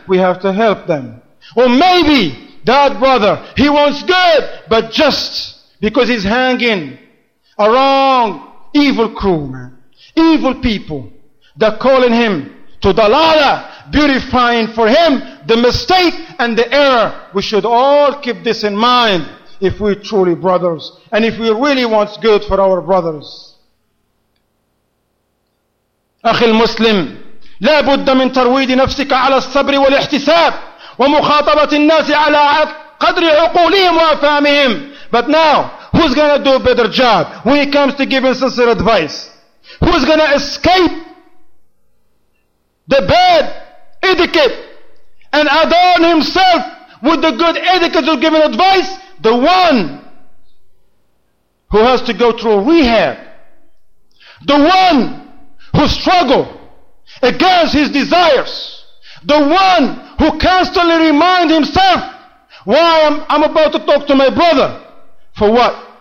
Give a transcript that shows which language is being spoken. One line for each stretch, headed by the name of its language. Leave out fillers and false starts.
English: We have to help them. Or maybe that brother, he wants good, but just because he's hanging around evil crew, man, evil people, they're calling him to dalala, beautifying for him the mistake and the error. We should all keep this in mind if we're truly brothers and if we really want good for our brothers.
Arabic: أخي المسلم لا بد من ترويد نفسك على الصبر والاحتساب ومخاطبة الناس على قدر عقولهم وأفهامهم.
English: But now, who's gonna do a better job when it comes to giving sincere advice? Who's gonna escape the bad etiquette and adorn himself with the good etiquette of giving advice? The one who has to go through rehab, the one who struggle against his desires, the one who constantly remind himself, why I'm about to talk to my brother? For what?